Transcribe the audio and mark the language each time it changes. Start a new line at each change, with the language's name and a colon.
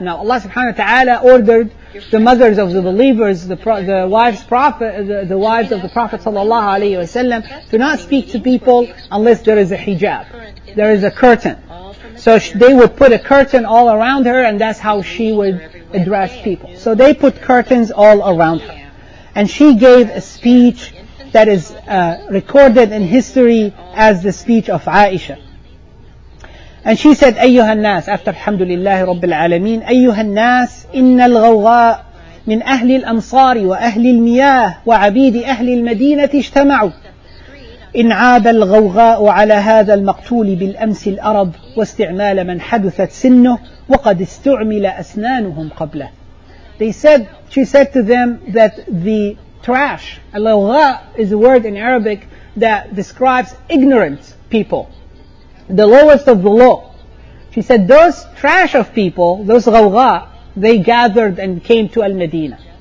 English: Now Allah subhanahu wa ta'ala ordered the mothers of the believers, the wives of the Prophet sallallahu alaihi wasallam, to not speak to people unless there is a hijab, there is a curtain. So they would put a curtain all around her, and that's how she would address people. So they put curtains all around her, and she gave a speech that is recorded in history as the speech of Aisha. And she said,
Arabic: أيها الناس, after الحمد لله رب العالمين, أيها الناس, إن الغوغاء من أهل الأنصار وأهل المياه وعبيد أهل المدينة اجتمعوا. إن عاب الغوغاء على هذا المقتول بالأمس الأرب واستعمال من حدثت سنه وقد استعمل أسنانهم قبله.
English: They said, she said to them that the trash, الغوغاء is a word in Arabic that describes ignorant people, the lowest of the low. She said, those trash of people, those غوغاء, they gathered and came to Al-Madina.